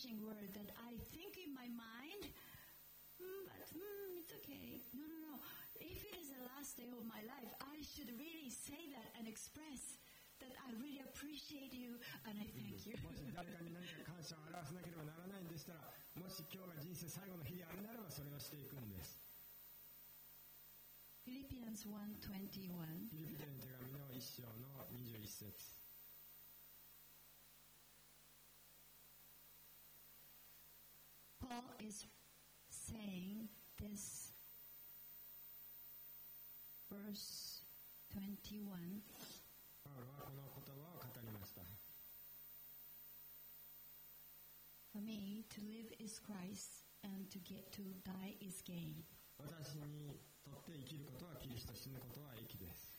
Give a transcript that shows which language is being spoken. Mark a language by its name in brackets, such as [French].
[English] word that I think in my mind, but it's okay. No, no, no. If it is the last day of my life, I should really say that and express that I really appreciate you and I thank you. [Japanese] もし誰かに何か感謝を表さなければならないんでしたら、もし今日が人生最後の日であるならば、それをしていくんです。 [English] Philippians 1:21. [Japanese] フィリピ人の手紙の1章の21節。 [English] Paul is saying this verse 21. [Japanese] パウロはこの言葉を語りました。 [English] For me, to live is Christ, and to get to die is gain. [Japanese] 私にとって生きることはキリスト、死ぬことは益です。